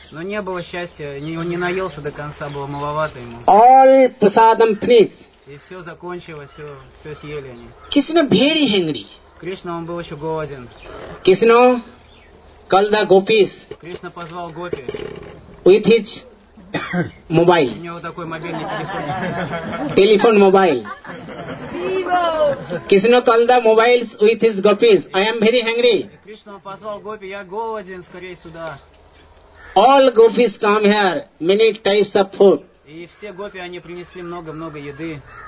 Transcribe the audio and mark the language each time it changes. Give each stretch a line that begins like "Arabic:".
Russian: Но не было счастья, он не наелся до конца, было маловато ему.
English: All prasadam please.
Russian: И все закончилось, все съели они.
English: Krishna very hungry.
Russian: Кришна, он был еще голоден.
English: Krishna called the gopis.
Russian: Кришна позвал гопи.
English: With his mobile.
Russian: У него такой мобильный телефон. Телефон mobile.
English: Krishna called the mobiles with his gopis. I am very hungry.
Russian: Кришна позвал гопи, я голоден, скорее сюда.
English: All gopis come here, many types of food.
Russian: И все гопи, они принесли много-много еды.